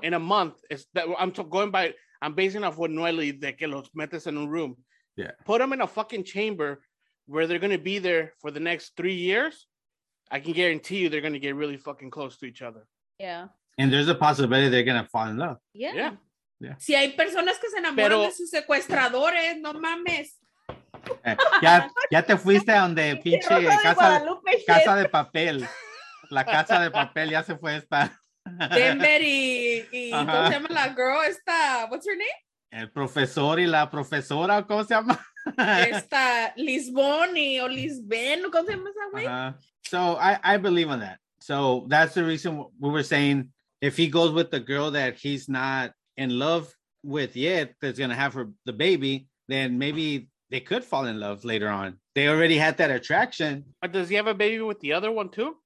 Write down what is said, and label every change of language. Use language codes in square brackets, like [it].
[en] In a month. I'm basing off what Noelle [es] de que los metes [en] in a room. Yeah. Put them in a fucking chamber where they're going to be there for the next 3 years. I can guarantee you they're going to get really fucking close to each other. Yeah. And there's a possibility they're going to fall in love. Yeah. Yeah. [es] Si hay personas que se enamoran de sus secuestradores, no mames. Ya te fuiste a donde pinche casa de papel. La casa de papel ya se fue esta. Denver y ¿cómo se llama la girl esta? [en] What's her name? [es] El profesor y la profesora, ¿cómo se llama? Esta Lisbon y o Lisben, ¿cómo se llama esa güey? [en] So I believe in that. So that's the reason we were saying if he goes with the girl that he's not in love with yet, that's going to have her the baby, then maybe they could fall in love later on. They already had that attraction. But does he have a baby with the other one too?